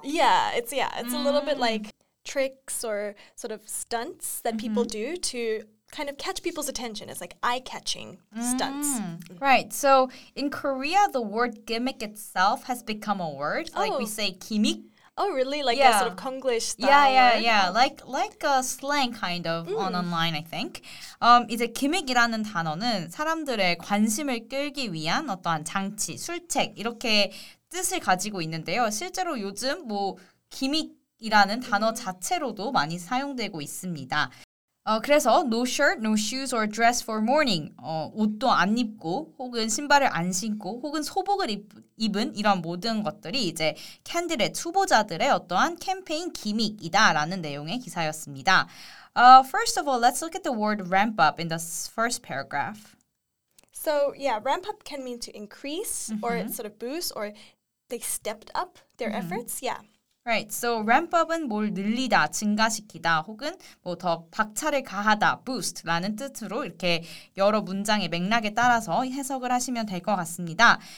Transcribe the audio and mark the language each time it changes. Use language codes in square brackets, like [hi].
[en] Yeah, it's a little bit like tricks or sort of stunts that people do to kind of catch people's attention. It's like eye-catching stunts. Right. So in Korea, the word gimmick itself has become a word. Like we say gimmick. Oh, really? Like a sort of Konglish style? Yeah. Like a slang kind of online, I think. [ko] 이제 기믹이라는 단어는 사람들의 관심을 끌기 위한 어떠한 장치, 술책 이렇게 뜻을 가지고 있는데요. 실제로 요즘 뭐 기믹이라는 단어 자체로도 많이 사용되고 있습니다. 그래서 [en] no shirt, no shoes or dress for morning. [ko] 옷도 안 입고 혹은 신발을 안 신고 혹은 소복을 입은 이런 모든 것들이 이제 캔디릿 후보자들의 어떠한 캠페인 기믹이다라는 내용의 기사였습니다. [en] First of all, let's look at the word ramp up in the first paragraph. So yeah, ramp up can mean to increase or sort of boost or they stepped up their efforts. Yeah. [ko] Right, so ramp up은 뭘 늘리다, 증가시키다, 혹은 뭐 더 박차를 가하다, boost라는 뜻으로 이렇게 여러 문장의 맥락에 따라서 해석을 하시면 될 것 같습니다.